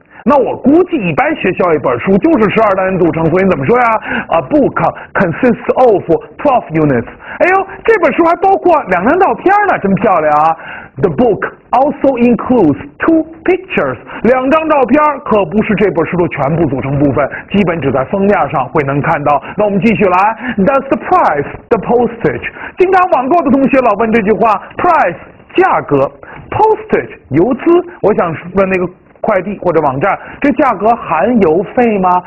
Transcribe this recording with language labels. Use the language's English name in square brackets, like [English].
[Chinese] 那我估计一般学校一本书就是12单元组成，所以你怎么说呀 ？ [English] A book consists of 12 units。 [Chinese] 哎呦，这本书还包括两张照片呢，真漂亮啊 ！ [English] The book also includes two pictures。 [Chinese] 两张照片可不是这本书的全部组成部分，基本只在封面上会能看到。那我们继续来 [English] ，Does the price the postage？ [Chinese] 经常网购的同学老问这句话 ，price 价格 ，postage 邮资。我想问那个快递或者网站，这价格含邮费吗？